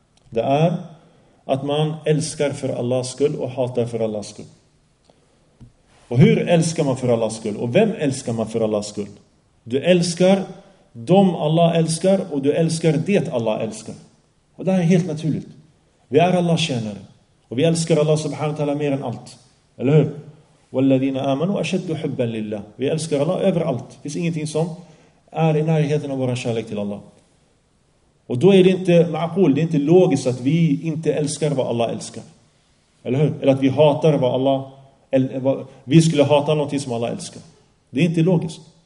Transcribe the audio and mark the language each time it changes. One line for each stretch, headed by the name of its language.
Swedish: Det är att man älskar för Allahs skull och hatar för Allahs skull. Och hur älskar man för Allahs skull? Och vem älskar man för Allahs skull? Du älskar dem Allah älskar och du älskar det Allah älskar. Och det här är helt naturligt. Vi är Allahs tjänare. Och vi älskar Allah subhanahu wa ta'ala mer än allt. Eller hur?
Arabic: وَالَّذِينَ آمَنُوا أَشَدُّ حُبًّا لِلَّهِ.
Swedish: Vi älskar Allah överallt. Det finns ingenting som är i närheten av vår kärlek till Allah. Och då är det inte ma'akul, det är inte logiskt att vi inte älskar vad Allah älskar. Eller hur? Eller att vi hatar vad Allah, eller vad, vi skulle hata någonting som Allah älskar. Det är inte logiskt.